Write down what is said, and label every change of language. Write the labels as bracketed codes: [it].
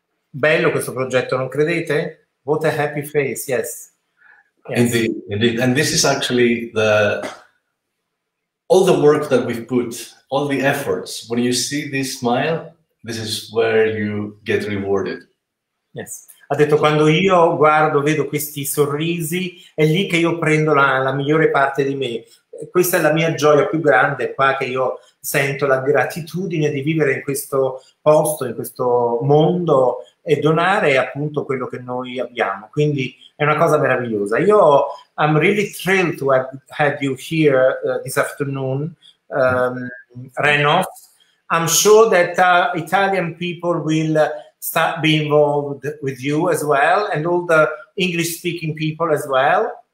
[it] Bello questo progetto, non credete? [en] What a happy face, yes. Indeed, indeed. And this is actually all the work that we've put, all the efforts. When you see this smile, this is where you get rewarded. Yes. [it] Ha detto, quando io guardo, vedo questi sorrisi, è lì che io prendo la migliore parte di me. Questa è la mia gioia più grande, qua che io sento la gratitudine di vivere in questo posto, in questo mondo, e donare appunto quello che noi abbiamo. Quindi è una cosa meravigliosa. [en] Io I'm really thrilled to have you here this afternoon, Renov. I'm sure that Italian people will start being involved with you as well, and all the English speaking people as well.